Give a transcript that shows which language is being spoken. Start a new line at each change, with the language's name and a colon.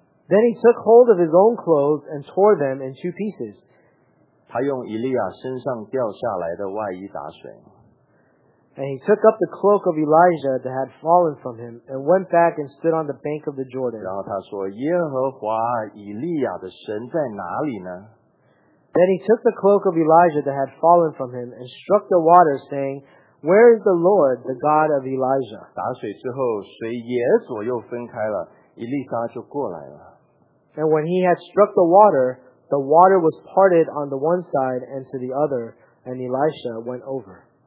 English: Then he took hold of his own clothes and tore them in two pieces.
Chinese: 他用以利亚身上掉下来的外衣打水。
English: And he took up the cloak of Elijah that had fallen from him and went back and stood on the bank of the Jordan.
Chinese: 然后他说：“耶和华以利亚的神在哪里呢？”
English: Then he took the cloak of Elijah that had fallen from him and struck the water, saying, "Where is the Lord, the God of Elijah?"
Chinese: 打水之后，水也左右分开了，以利沙就过来了。
English: And when he had struck the water was parted on the one side and to the other, and Elisha went over.